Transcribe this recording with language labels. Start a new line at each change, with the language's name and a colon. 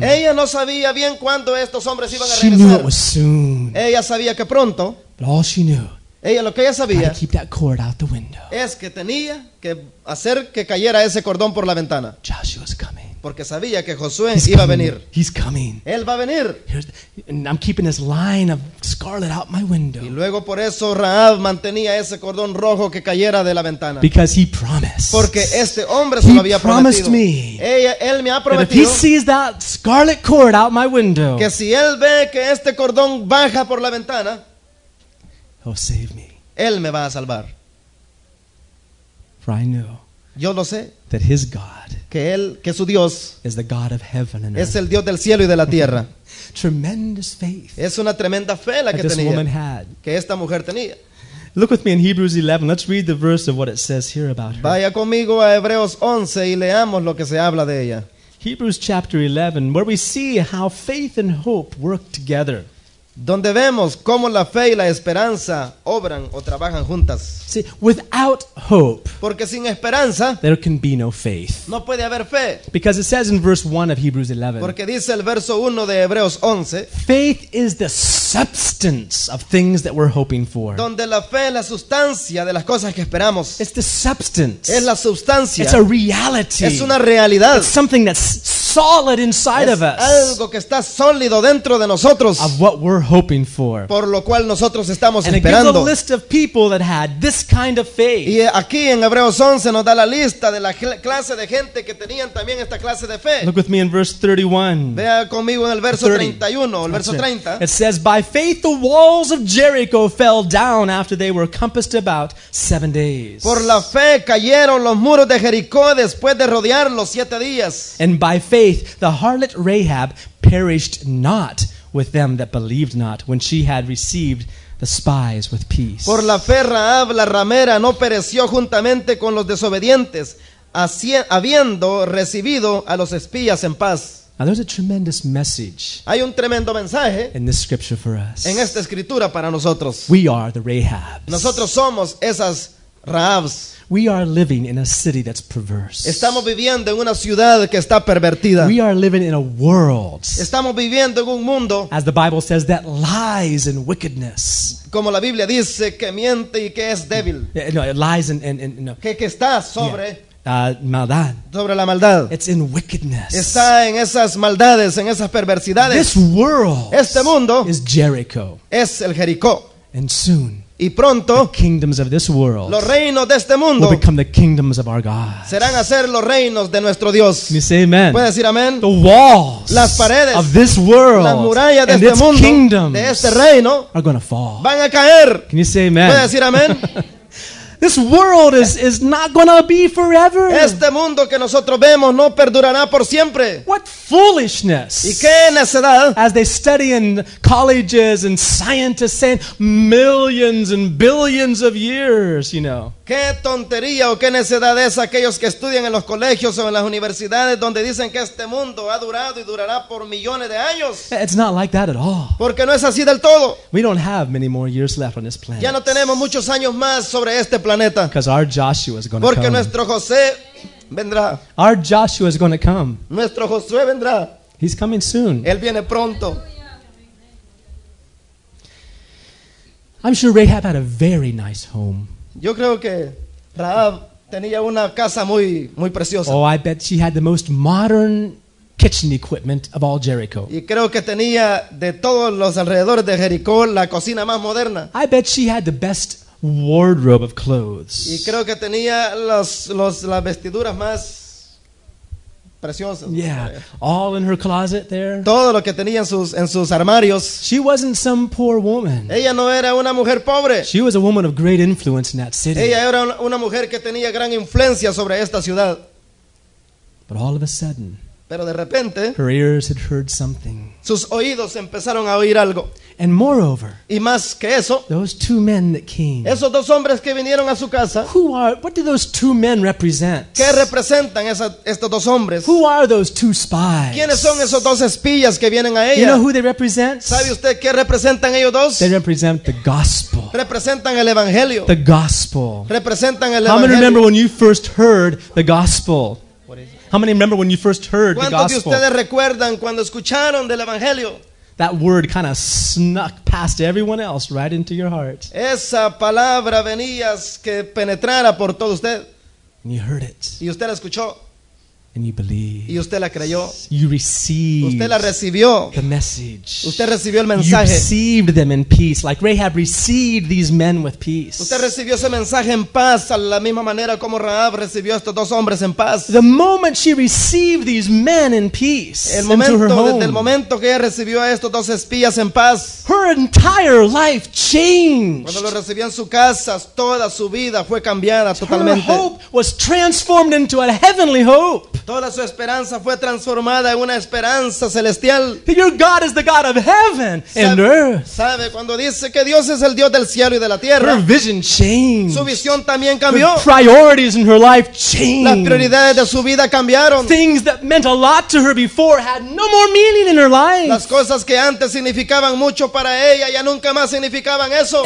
Spanish: Ella no sabía bien cuándo estos hombres iban a regresar.
English: She knew it was soon.
Spanish: Ella sabía que pronto.
English: But all she knew.
Spanish: Ella lo que ella sabía.
English: Gotta keep that cord out the window.
Spanish: Es que tenía que hacer que cayera ese cordón por la ventana.
English: Joshua's coming.
Spanish: Porque sabía que Josué iba A venir.
English: He's coming.
Spanish: Él va a venir.
English: And I'm keeping this line of scarlet out my window.
Spanish: Y luego por eso Rahab mantenía ese cordón rojo que cayera de la ventana.
English: Because he promised.
Spanish: Porque este hombre se lo había prometido.
English: He promised
Spanish: me. Él me ha prometido.
English: If he sees that scarlet cord out my window.
Spanish: Que si él ve que este cordón baja por la ventana.
English: He'll save me.
Spanish: Él me va a salvar.
English: For I know.
Spanish: Yo lo sé.
English: That his God.
Spanish: Que él, que su Dios
English: is the God of heaven and
Spanish: es
English: earth.
Spanish: El Dios del cielo y de la tierra.
English: Tremendous faith.
Spanish: Es una tremenda fe la que
English: this
Spanish: tenía,
English: woman had.
Spanish: Que esta mujer tenía.
English: Look with me in Hebrews 11. Let's read the verse of what it says here about her.
Spanish: Vaya conmigo a Hebreos 11 y leamos lo que se habla de ella.
English: Hebrews chapter 11, where we see how faith and hope work together.
Spanish: Donde vemos cómo la fe y la esperanza obran o trabajan juntas.
English: See, without hope,
Spanish: porque sin esperanza,
English: there can be no faith.
Spanish: No puede haber fe.
English: Because it says in verse 1 of Hebrews 11,
Spanish: porque dice el verso 1 de Hebreos 11,
English: faith is the substance of things that we're hoping for.
Spanish: Donde la fe es la sustancia de las cosas que esperamos.
English: It's the substance.
Spanish: Es la sustancia.
English: It's a reality.
Spanish: Es una realidad.
English: It's something that's solid inside of us.
Spanish: Algo que está sólido dentro de nosotros.
English: Of what we're hoping for.
Spanish: Por lo cual nosotros estamos
English: and
Spanish: esperando.
English: It gives a list of people that had this kind of faith.
Spanish: Y aquí en Hebreos 11 nos da la lista de la clase de gente que tenían también esta clase de fe.
English: Look with me in verse 31.
Spanish: Vea conmigo en el verso 31, el verso 30.
English: It says, by faith the walls of Jericho fell down after they were compassed about 7 days.
Spanish: Por la fe cayeron los muros de Jericó después de rodearlos 7 días.
English: And by faith the harlot Rahab perished not with them that believed not when she had received the spies with peace.
Spanish: Por la fe Rahab la ramera no pereció juntamente con los desobedientes habiendo recibido a los espías en paz.
English: Now there's a tremendous message.
Spanish: Hay un tremendo mensaje
English: in this scripture for us.
Spanish: En esta escritura para nosotros.
English: We are the Rahabs.
Spanish: Nosotros somos esas Rahabs.
English: We are living in a city that's perverse.
Spanish: Estamos viviendo en una ciudad que está pervertida.
English: We are living in a world.
Spanish: Estamos viviendo en un mundo.
English: As the Bible says, that lies in wickedness.
Spanish: Como la Biblia dice que miente y que es débil.
English: No, it lies in no.
Spanish: Que está sobre.
English: Yeah.
Spanish: Maldad. Sobre la maldad.
English: It's in wickedness.
Spanish: Está en esas maldades, en esas perversidades.
English: This world,
Spanish: este mundo,
English: is Jericho.
Spanish: Es el Jericó.
English: And soon,
Spanish: y pronto,
English: the kingdoms of this world,
Spanish: los reinos de este mundo,
English: will become the kingdoms of our God.
Spanish: Serán a ser los reinos de nuestro Dios.
English: Can you say amen?
Spanish: ¿Puedes decir amén?
English: The walls,
Spanish: las paredes,
English: of this world,
Spanish: las murallas de
English: and
Spanish: este
English: its
Spanish: mundo,
English: kingdoms,
Spanish: de este reino,
English: are going to fall.
Spanish: Van a caer.
English: Can you say amen?
Spanish: ¿Puedes decir amén?
English: This world is not going to be forever.
Spanish: Este mundo que nosotros vemos no perdurará por siempre.
English: What foolishness.
Spanish: ¿Y qué necedad?
English: As they study in colleges and scientists saying millions and billions of years, you know.
Spanish: ¿Qué tontería o qué necedad es aquellos que estudian en los colegios o en las universidades donde dicen que este mundo ha durado y durará por millones de años?
English: It's not like that at all.
Spanish: Porque no es así del todo.
English: We don't have many more years left on this planet.
Spanish: Ya no tenemos muchos años más sobre este planeta.
English: Because our Joshua is going to come.
Spanish: Porque nuestro José vendrá.
English: Our Joshua is going to come.
Spanish: Nuestro Josué vendrá.
English: He's coming soon.
Spanish: Él viene pronto.
English: I'm sure Rahab had a very nice home.
Spanish: Yo creo que Rahab tenía una casa muy, muy preciosa.
English: Oh, I bet she had the most modern kitchen equipment of all Jericho.
Spanish: Y creo que tenía de todos los alrededores de Jericó la cocina más moderna.
English: I bet she had the best wardrobe of clothes.
Spanish: Y creo que tenía las vestiduras más preciosas.
English: Yeah, all in her closet there.
Spanish: Todo lo que tenía en sus armarios.
English: She wasn't some poor woman.
Spanish: Ella no era una mujer pobre.
English: She was a woman of great influence in that city.
Spanish: Ella era una mujer que tenía gran influencia sobre esta ciudad.
English: But all of a sudden,
Spanish: pero de repente,
English: her ears had heard something.
Spanish: Sus oídos empezaron a oír algo.
English: And moreover,
Spanish: y más que eso,
English: those two men that came,
Spanish: esos dos hombres que vinieron a su casa,
English: what do those two men represent?
Spanish: ¿Qué representan estos dos hombres?
English: Who are those two spies?
Spanish: ¿Quiénes son esos dos espías que vienen a ella?
English: You know who they represent?
Spanish: ¿Sabe usted qué representan ellos dos?
English: They represent the gospel.
Spanish: Representan el evangelio.
English: The gospel.
Spanish: Representan el evangelio.
English: How many remember when you first heard the gospel? How many remember when you first heard the gospel?
Spanish: ¿Cuántos de ustedes recuerdan cuando escucharon del evangelio?
English: That word kind of snuck past everyone else right into your heart.
Spanish: Esa palabra venía que penetrara por todo usted.
English: And you heard it.
Spanish: Y usted la escuchó.
English: And you believed.
Spanish: Y usted la creyó.
English: You received.
Spanish: Usted la recibió.
English: The message.
Spanish: Usted recibió el mensaje.
English: You received them in peace, like Rahab received these men with peace.
Spanish: Usted recibió ese mensaje en paz, a la misma manera como Rahab recibió estos dos hombres en paz.
English: The moment she received these men in peace,
Spanish: el momento,
English: into her home,
Spanish: desde el momento que ella recibió a estos dos espías en paz,
English: her entire life changed.
Spanish: Cuando lo recibió en su casa, toda su vida fue cambiada totalmente.
English: Her hope was transformed into a heavenly hope.
Spanish: Toda su esperanza fue transformada en una esperanza celestial.
English: Your God is the God of heaven and earth.
Spanish: Sabe cuando dice que Dios es el Dios del cielo y de la tierra.
English: Her vision changed.
Spanish: Su visión también cambió.
English: Her priorities in her life changed.
Spanish: Las prioridades de su vida cambiaron.
English: Things that meant a lot to her before had no more meaning in her life.
Spanish: Las cosas que antes significaban mucho para ella ya nunca más significaban eso.